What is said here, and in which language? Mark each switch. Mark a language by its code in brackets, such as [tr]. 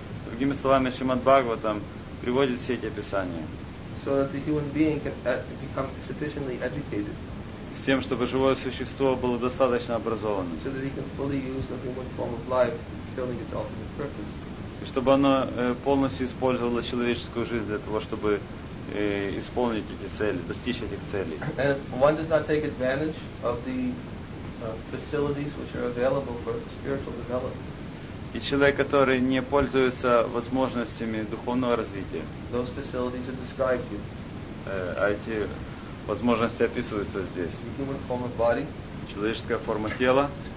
[ru] Другими словами, Шримад Бхагаватам приводит все эти описания. [en] So that the human being can become sufficiently educated. [ru] С тем, чтобы живое существо было достаточно образованным. [en] So that he can fully use the human form of life, fulfilling its ultimate purpose. [ru] И чтобы оно полностью использовало человеческую жизнь для того, чтобы исполнить эти цели, достичь этих целей. [en] And if one does not take advantage of the facilities which are available for spiritual development. [ru] И человек, который не пользуется возможностями духовного развития. [en] Those facilities are described here. [ru] Возможности описываются здесь. [en] Human form of body, [ru] человеческая форма тела